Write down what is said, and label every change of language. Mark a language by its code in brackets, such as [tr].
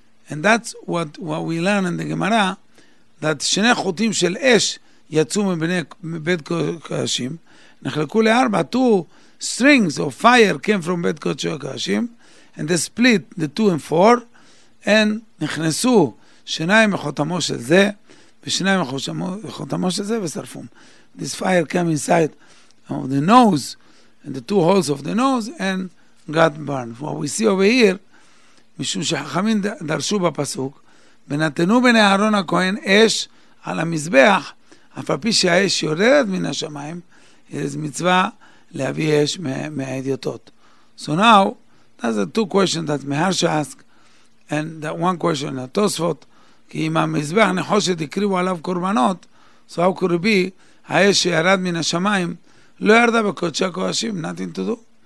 [en] And that's what we learn in the Gemara, that [he] שני חוטים של אש יצאו מבית קודשים, נחלקו לארבע, [en] two strings of fire came from [he] בית קודשי הקודשים, [en] and they split the two and four, and [he] נכנסו שניים מחותמו של זה, ושניים מחותמו של זה, ושרפום. [en] This fire came inside of the nose, and the two holes of the nose, and got burned. What we see over here, [he] משום שחכמים דרשו בפסוק, ונתנו בני אהרון הכהן אש על המזבח, אף על פי שהאש יורדת מן השמיים, יש מצווה להביא אש מהאדיוטות. [en] So now, that's the two questions that Meharsha asked, and that one question that Tosfot, [he] כי אם המזבח נחושת הקריבו עליו קורבנות, סוהב קורבי, האש שירד מן השמיים, לא ירדה בקודשי הקודשים, [en] nothing to do.